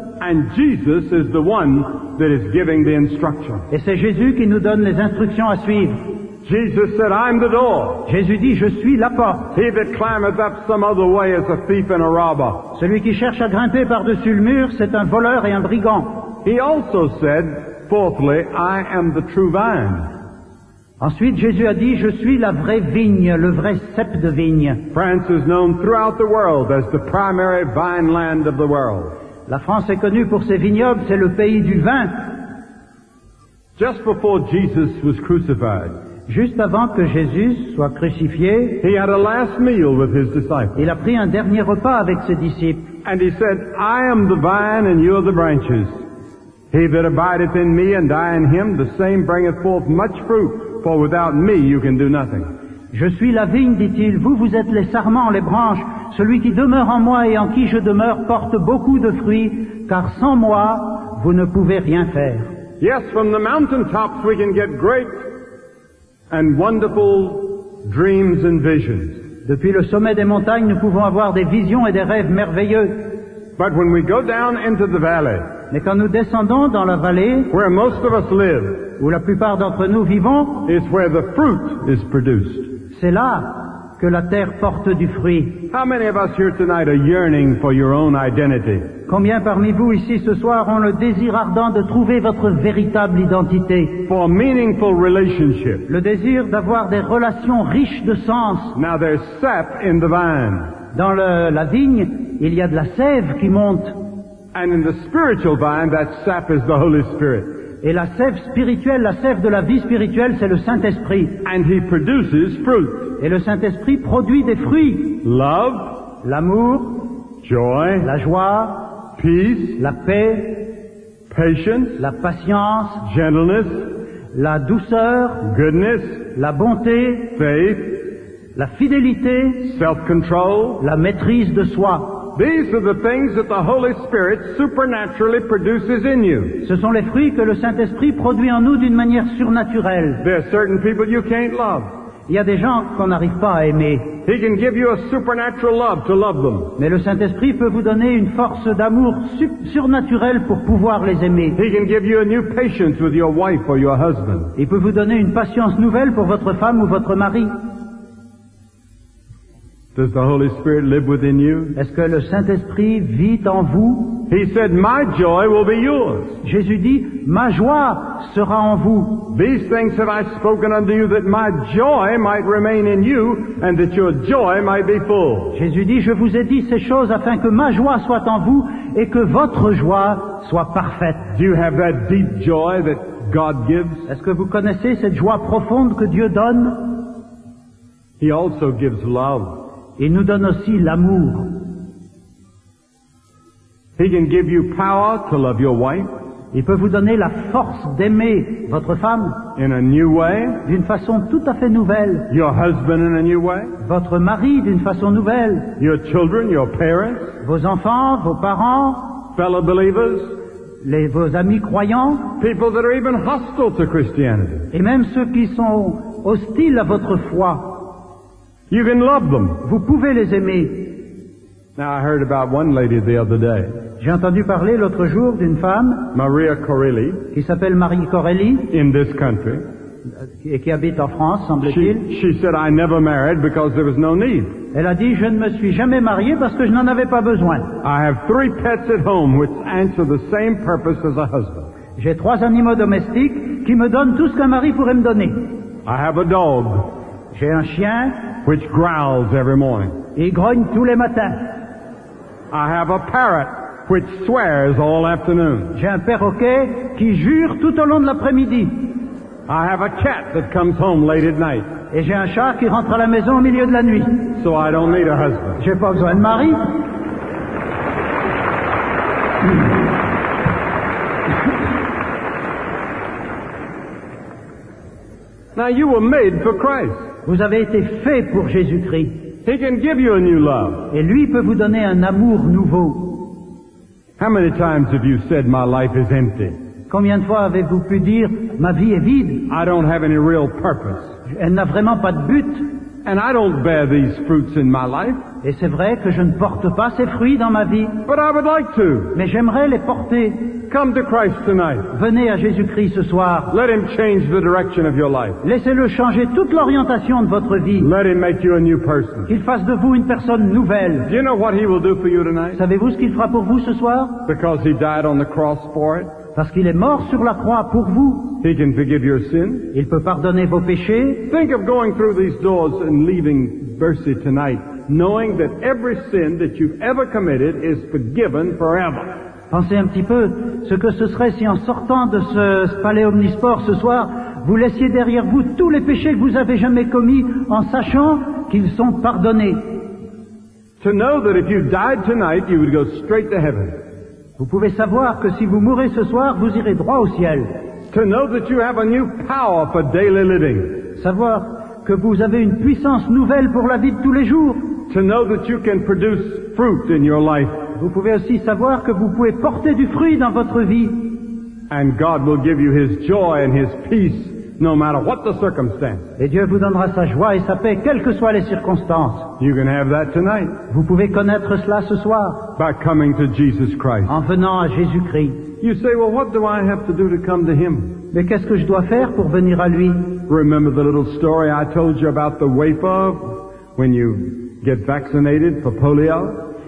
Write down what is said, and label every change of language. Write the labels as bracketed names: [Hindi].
[English] And Jesus is the one that is giving the instruction. [French] Et c'est Jésus qui nous donne les instructions à suivre. [English] Jesus said, I'm the door. [French] Jésus dit, je suis la porte. [English] He that climbeth up some other way is a thief and a robber. [French] Celui qui cherche à grimper par-dessus le mur, c'est un voleur et un brigand. [English] He also said, fourthly, I am the true vine. [French] Ensuite, Jésus a dit, je suis la vraie vigne, le vrai cep de vigne. [English] France is known throughout the world as the primary vine land of the world. [French] La France est connue pour ses vignobles, c'est le pays du vin. [English] Just before Jesus was crucified, [French] juste avant que Jésus soit crucifié, [English] he had a last meal with his disciples. [French] Il a pris un dernier repas avec ses disciples. [English] And he said, I am the vine and you are the branches. He that abideth in me and I in him, the same bringeth forth much fruit. For without me, you can do nothing. [French] Je suis la vigne, dit-il. Vous êtes les sarments, les branches. Celui qui demeure en moi et en qui je demeure porte beaucoup de fruits, car sans moi, vous ne pouvez rien faire. [English] Yes, from the mountaintops, we can get great and wonderful dreams and visions. [French] Depuis le sommet des montagnes, nous pouvons avoir des visions et des rêves merveilleux. [English] But when we go down into the valley, [French] mais quand nous descendons dans la vallée, [English] where most of us live, [French] où la plupart d'entre nous vivons, [English] is where the fruit is produced. [French] C'est là que la terre porte du fruit. [English] How many of us here tonight are yearning for your own identity? [French] Combien parmi vous ici ce soir ont le désir ardent de trouver votre véritable identité? [English] For a meaningful relationship. [French] Le désir d'avoir des relations riches de sens. [English] Now there's sap in the vine. [French] Dans la vigne, il y a de la sève qui monte. [English] And in the spiritual vine, that sap is the Holy Spirit. [French] Et la sève spirituelle, la sève de la vie spirituelle, c'est le Saint-Esprit. [English] And he produces fruit. [French] Et le Saint-Esprit produit des fruits. [English] Love. [French] L'amour. [English] Joy. [French] La joie. [English] Peace. [French] La paix. [English] Patience. [French] La patience. [English] Gentleness. [French] La douceur. [English] Goodness. [French] La bonté. [English] Faith. [French] La fidélité. [English] Self-control. [French] La maîtrise de soi. [English] These are the things that the Holy Spirit supernaturally produces in you. [French] Ce sont les fruits que le Saint-Esprit produit en nous d'une manière surnaturelle. [English] There are certain people you can't love. [French] Il y a des gens qu'on n'arrive pas à aimer. [English] He can give you a supernatural love to love them. [French] Mais le Saint-Esprit peut vous donner une force d'amour surnaturelle pour pouvoir les aimer. [English] He can give you a new patience with your wife or your husband. [French] Il peut vous donner une patience nouvelle pour votre femme ou votre mari. [English] Does the Holy Spirit live within you? [French] Est-ce que le Saint-Esprit vit en vous? [English] He said, "My joy will be yours." [French] Jésus dit, ma joie sera en vous. [English] These things have I spoken unto you that my joy might remain in you and that your joy might be full. [French] Jésus dit, je vous ai dit ces choses afin que ma joie soit en vous et que votre joie soit parfaite. [English] Do you have that deep joy that God gives? [French] Est-ce que vous connaissez cette joie profonde que Dieu donne? [English] He also gives love. [French] Il nous donne aussi l'amour. [English] He can give you power to love your wife. [French] Il peut vous donner la force d'aimer votre femme. [English] In a new way. [French] D'une façon tout à fait nouvelle. [English] Your husband in a new way. [French] Votre mari d'une façon nouvelle. [English] Your children, your parents. [French] Vos enfants, vos parents. [English] Fellow believers. [French] Vos amis croyants. [English] People that are even hostile to Christianity. [French] Et même ceux qui sont hostiles à votre foi. [English] You can love them. [French] Vous pouvez les aimer. [English] Now I heard about one lady the other day. [French] J'ai entendu parler l'autre jour d'une femme, [English] Maria Corelli, [French] qui s'appelle Marie Corelli, [English] in this country, [French] et qui habite en France, semble-t-il. [English] She said, I never married because there was no need. [French] Elle a dit, je ne me suis jamais mariée parce que je n'en avais pas besoin. [English] I have three pets at home which answer the same purpose as a husband. [French] J'ai trois animaux domestiques qui me donnent tout ce qu'un mari pourrait me donner. [English] I have a dog. [French] J'ai un chien. [English] Which growls every morning. [French] Il grogne tous les matins. [English] I have a parrot. Which swears all afternoon. [French] J'ai un perroquet qui jure tout au long de l'après-midi. [English] I have a cat that comes home late at night. [French] Et j'ai un chat qui rentre à la maison au milieu de la nuit. [English] So I don't need a husband. [French] J'ai pas besoin de mari. [English] Now you were made for Christ. [French] Vous avez été fait pour Jésus-Christ. [English] He can give you a new love. [French] Et lui peut vous donner un amour nouveau. [English] How many times have you said my life is empty? [French] Combien de fois avez-vous pu dire ma vie est vide? [English] I don't have any real purpose. [French] Elle n'a vraiment pas de but. [English] And I don't bear these fruits in my life. [French] Et c'est vrai que je ne porte pas ces fruits dans ma vie. [English] But I would like to. [French] Mais j'aimerais les porter. [English] Come to Christ tonight. [French] Venez à Jésus-Christ ce soir. [English] Let him change the direction of your life. [French] Laissez-le changer toute l'orientation de votre vie. [English] Let him make you a new person. [French] Qu'il fasse de vous une personne nouvelle. [English] Do you know what he will do for you tonight? [French] Savez-vous ce qu'il fera pour vous ce soir? [English] Because he died on the cross for it. [French] Parce qu'il est mort sur la croix pour vous. [English] He can forgive your sin. [French] Il peut pardonner vos péchés. [English] Think of going through these doors and leaving mercy tonight, knowing that every sin that you've ever committed is forgiven forever. [French] Pensez un petit peu ce que ce serait si en sortant de ce palais omnisport ce soir, vous laissiez derrière vous tous les péchés que vous avez jamais commis en sachant qu'ils sont pardonnés. [English] To know that if you died tonight, you would go straight to heaven. [French] Vous pouvez savoir que si vous mourrez ce soir, vous irez droit au ciel. [English] To know that you have a new power for daily living. [French] Savoir que vous avez une puissance nouvelle pour la vie de tous les jours. [English] To know that you can produce fruit in your life. [French] Vous pouvez aussi savoir que vous pouvez porter du fruit dans votre vie. [English] And God will give you his joy and his peace no matter what the circumstance. [French] Et Dieu vous donnera sa joie et sa paix quelles que soient les circonstances. [English] You can have that tonight. [French] Vous pouvez connaître cela ce soir. [English] By coming to Jesus Christ. [French] En venant à Jésus-Christ. [English] You say, well, what do I have to do to come to him? [French] Mais qu'est-ce que je dois faire pour venir à lui? [English] Remember the little story I told you about the wafer when you get vaccinated for polio?